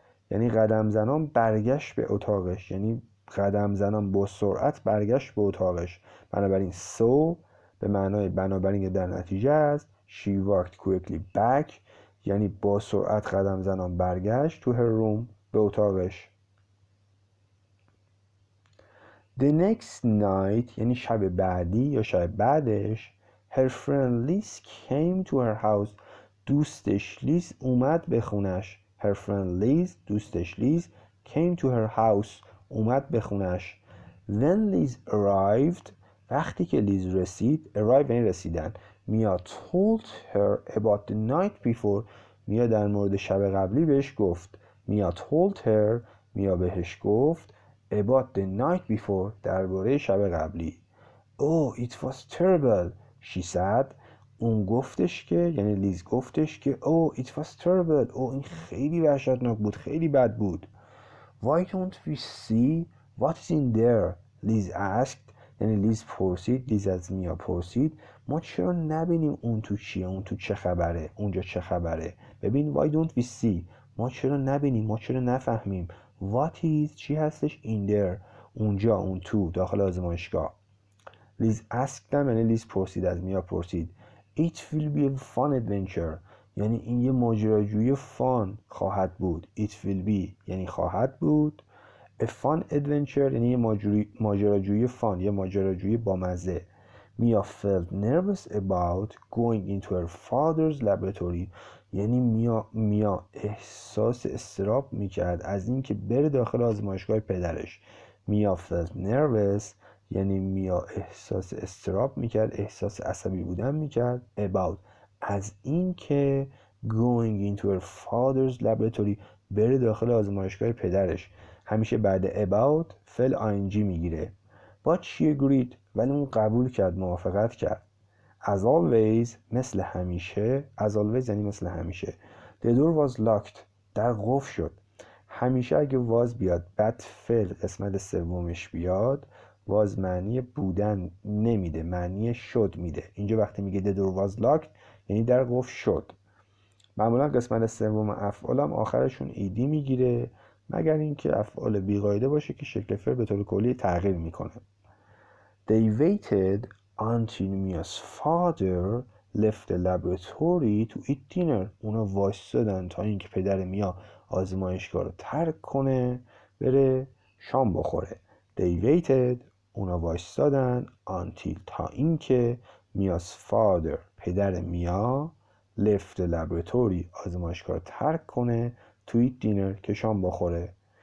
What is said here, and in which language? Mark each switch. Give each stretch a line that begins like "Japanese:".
Persian: یعنی قدم زنان برگشت به اتاقش یعنی قدم زنان با سرعت برگشت به اتاقش بنابراین So, به معنای بنابراین یا در نتیجه است
English: She walked quickly back
Persian: یعنی با سرعت قدم زنان برگشت
English: to her room
Persian: به اتاقش
English: The next night
Persian: یعنی شب بعدی یا شب بعدش
English: Her friend Lise came to her house.
Persian: دوستش لیز اومد به خونش.
English: Her friend Lise,
Persian: دوستش لیز
English: came to her house.
Persian: اومد به خونش.
English: When Lise arrived,
Persian: وقتی که لیز رسید, arrived یعنی رسیدن.
English: Mia told her about the night before.
Persian: Mia در مورد شب قبلی بهش گفت.
English: Mia told her, Mia
Persian: بهش گفت
English: about the night before,
Persian: درباره شب قبلی.
English: Oh, it was terrible. She said
Persian: اون گفتش که یعنی لیز گفتش که
English: Oh, it was terrible Oh,
Persian: این خیلی وحشتناک بود خیلی بد بود
English: Why don't we see what is in there?
Persian: لیز asked یعنی لیز پرسید لیز از میا پرسید ما چرا نبینیم اون تو چیه اون تو چه خبره اونجا چه خبره ببین
English: Why don't we see
Persian: ما چرا نبینیم ما چرا نفهمیم
English: What is
Persian: چی هستش
English: in there
Persian: اونجا اون تو داخل آزمایشگاه لیز
English: asked them
Persian: یعنی لیز پرسید از میا پرسید
English: It will be a fun adventure
Persian: یعنی این یه ماجراجویی فان خواهد بود
English: It will be
Persian: یعنی خواهد بود
English: A fun adventure
Persian: یعنی یه ماجراجویی فان، یه ماجراجویی بامزه.
English: Mia felt nervous about going into her father's laboratory.
Persian: یعنی میا احساس استراب میکرد از اینکه بره داخل آزمایشگاه پدرش.
English: Mia felt nervous
Persian: یعنی میا احساس استراب میکرد، احساس عصبی بودن میکرد.
English: About
Persian: از اینکه
English: going into her father's laboratory،
Persian: بره داخل آزمایشگاه پدرش. همیشه بعد about فعل ing میگیره.
English: But she agreed،
Persian: ولی اون قبول کرد، موافقت کرد.
English: As always
Persian: مثل همیشه،
English: as always
Persian: یعنی مثل همیشه.
English: The door was locked،
Persian: در قفل شد. همیشه اگه was بیاد بعد فعل قسمت سومش بیاد، was معنی بودن نمیده، معنی شد میده. اینجا وقتی میگه
English: the door was locked
Persian: یعنی در قفل شد. معمولا قسمت سوم افعال هم آخرشون ایدی میگیره، مگر اینکه افعال بی‌قاعده باشه که شکل فعل به طور کلی تغییر میکنه.
English: They waited until Mia's father left the laboratory to eat dinner.
Persian: اونا وایستادن تا اینکه پدر میا آزمایشگاه رو ترک کنه بره شام بخوره.
English: They waited،
Persian: اونا وایستادن، until تا اینکه
English: Mia's father
Persian: پدر میا
English: left the laboratory
Persian: آزمایشگاه رو ترک کنه
English: to eat dinner
Persian: که شام بخوره.